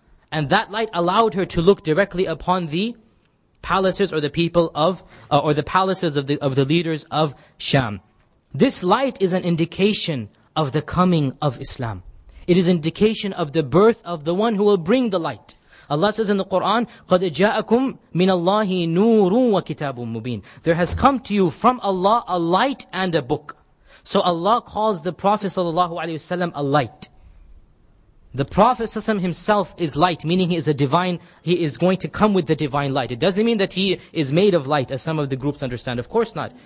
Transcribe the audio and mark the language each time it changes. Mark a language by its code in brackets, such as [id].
[en] And that light allowed her to look directly upon the palaces or the people of, or the palaces of the leaders of Sham. This light is an indication of the coming of Islam. It is an indication of the birth of the one who will bring the light. Allah says in the Quran, [ar] قَدْ جَاءَكُمْ مِنَ اللَّهِ نُورٌ وَكِتَابٌ مُبِينٌ. [en] There has come to you from Allah a light and a book. So Allah calls the Prophet ﷺ a light. The Prophet ﷺ himself is light, meaning he is a divine, he is going to come with the divine light. It doesn't mean that he is made of light, as some of the groups understand. Of course not.